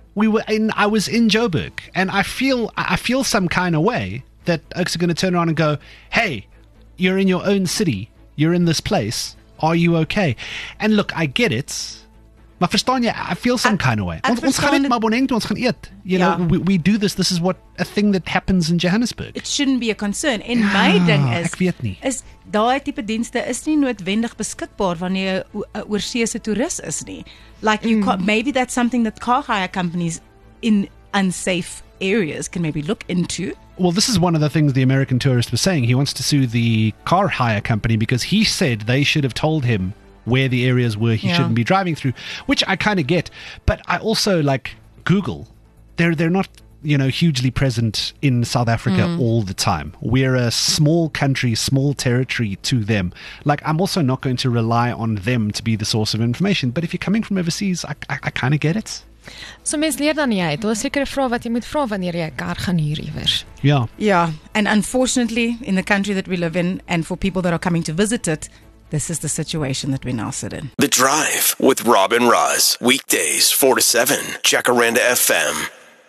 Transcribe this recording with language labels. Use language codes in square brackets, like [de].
[en] I was in Joburg, and I feel some kind of way that folks are going to turn around and go, hey, you're in your own city, you're in this place, are you okay? And look, I get it, [af] maar verstaan jy, [en] I feel some kind of way. [af] Ons gaan net Maboneng toe, ons gaan eet. [en] You know, we do this, this is what a thing that happens in Johannesburg. It shouldn't be a concern. [af] En my ding is, daai tipe dienste is nie noodwendig beskikbaar wanneer jy 'n oorseese toerist is nie. [en] Like, you can't, maybe that's something that car hire companies in unsafe areas can maybe look into. Well, this is one of the things the American tourist was saying. He wants to sue the car hire company because he said they should have told him where the areas were he shouldn't be driving through, which I kind of get. But I also, like, Google, they're not, you know, hugely present in South Africa all the time. We're a small country, small territory to them. Like, I'm also not going to rely on them to be the source of information. But if you're coming from overseas, I kind of get it. [af] So mens leer dan jy, daar is sekere vrae wat jy moet vra wanneer jy 'n kar gaan huur iewers. Ja. [en] Ja, and unfortunately in the country that we live in and for people that are coming to visit it, this is the situation that we now sit in. The Drive with Robin Ross, weekdays 4 to 7, Jacaranda FM.